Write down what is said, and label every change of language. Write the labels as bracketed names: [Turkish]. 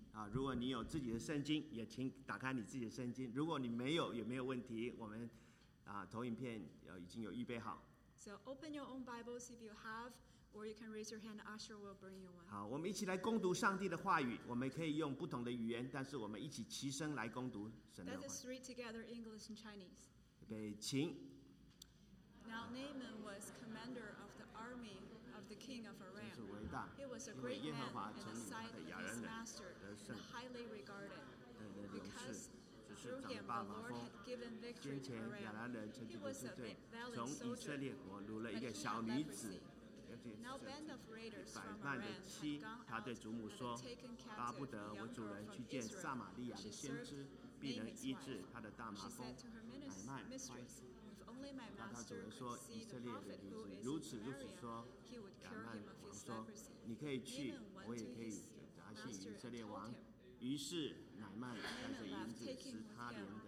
[Chinese] 好，如果你有自己的圣经，也请打开你自己的圣经。如果你没有，也没有问题。我们投影片已经有预备好。 [English] So open your own Bibles if you have, or you can raise your hand. Usher will bring you one. [Chinese] 好，我们一起来攻读上帝的话语。我们可以用不同的语言，但是我们一起齐声来攻读神的话语。 [English] Let us read together English and Chinese. [Chinese] 预备，请。 [English] Now Naaman was commander of the army of the king of Aram. [Chinese] 真是伟大。 [English] He was a great man and a sight of his master, and highly regarded. Because through him, the Lord had given victory to Aram. He was a valiant soldier, but he was a leprosy. Now, a band of raiders from Aram had gone out and taken captive a young girl from Israel. She said to her mistress, if only my master could see the prophet who is in Aram, he would cure him of his leprosy. [Chinese] 你可以去，我也可以。 [English] The master told him. [Chinese] 于是乃曼带着银子，十他连的